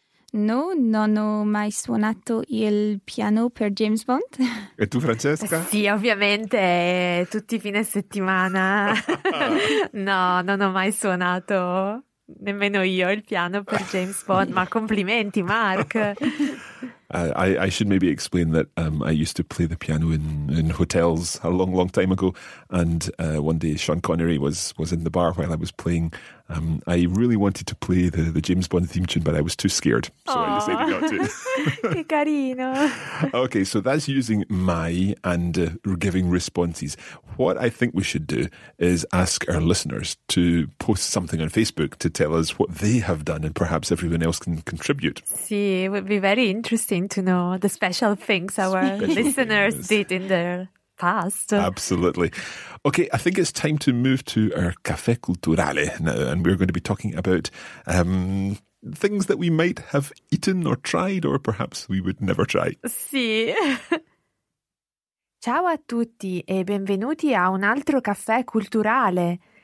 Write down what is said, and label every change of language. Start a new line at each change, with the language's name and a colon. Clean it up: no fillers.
Italian: No, non ho mai suonato il piano per James Bond. E tu, Francesca? Sì, ovviamente, tutti i fine settimana. No, non ho mai suonato, nemmeno io, il piano per James Bond. Ma complimenti, Mark!
English: I should maybe explain that I used to play the piano in hotels a long, long time ago. And one day Sean Connery was in the bar while I was playing. I really wanted to play the James Bond theme tune, but I was too scared. So Aww. I decided not to.
Italian: Che carino.
English: Okay, so that's using mai and giving responses. What I think we should do is ask our listeners to post something on Facebook to tell us what they have done, and perhaps everyone else can contribute.
Italian: Sì,
English: it would be very interesting to know the special things our listeners did in their past. Absolutely. Okay, I think it's time to move to our Café Culturale now, and we're going to be talking about things that we might have eaten or tried, or perhaps we would never try.
Italian: Sì. Ciao a tutti e benvenuti a un altro Café Culturale.